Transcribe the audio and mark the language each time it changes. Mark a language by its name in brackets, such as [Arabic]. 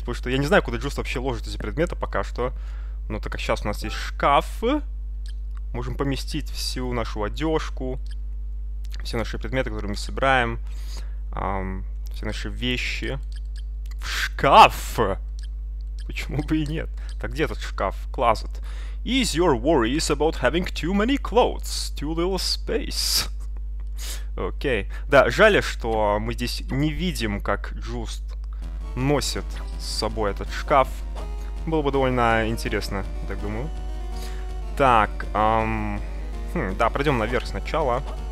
[Russian] Потому что я не знаю, куда Джуст вообще ложит эти предметы пока что. Но так как сейчас у нас есть шкаф, можем поместить всю нашу одежку, все наши предметы, которые мы собираем, все наши вещи в шкаф. Почему бы и нет? Так, где этот шкаф? Клазет. [English] Is your worries about having too many clothes? Too little space. Окей. Okay. [Russian] Да, жаль, что мы здесь не видим, как Джуст носит с собой этот шкаф. Было бы довольно интересно, так думаю. Так, да, пройдем наверх сначала.